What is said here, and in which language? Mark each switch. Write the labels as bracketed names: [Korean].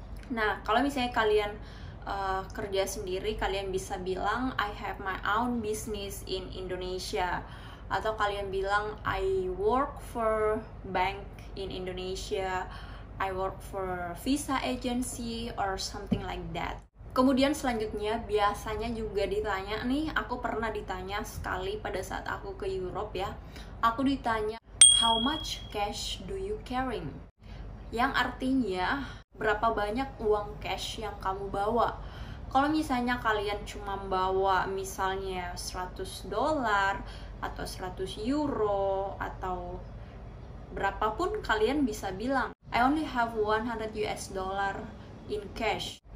[Indonesian] Nah, kalau misalnya kalian kerja sendiri, kalian bisa bilang [English] I have my own business in Indonesia, [Indonesian] atau kalian bilang [English] I work for bank in Indonesia, I work for visa agency [Indonesian] or something like that. Kemudian selanjutnya, biasanya juga ditanya nih, aku pernah ditanya sekali pada saat aku ke Europe ya. Aku ditanya, [English] how much cash do you carry? [Indonesian] Yang artinya, berapa banyak uang cash yang kamu bawa? Kalau misalnya kalian cuma bawa misalnya 100 dolar, atau 100 euro, atau berapapun kalian bisa bilang, [English] I only have 100 US dollar in cash.